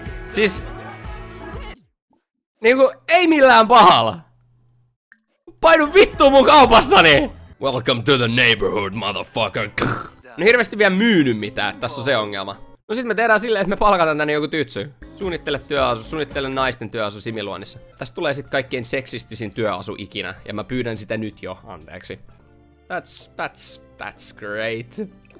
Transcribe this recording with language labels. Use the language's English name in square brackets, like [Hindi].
[Finnish] Siis... Niinku, ei millään pahalla. Painu vittu mun kaupastani! [English] Welcome to the neighborhood, motherfucker! [Finnish] No hirveesti vielä myyny mitään, tässä on se ongelma. No sit me tehdään silleen, että me palkataan tänne joku tytsy. Suunnittele työasu, suunnittele naisten työasu Similuonissa. Tästä tulee sit kaikkein seksistisin työasu ikinä, ja mä pyydän sitä nyt jo, anteeksi. [English] That's great.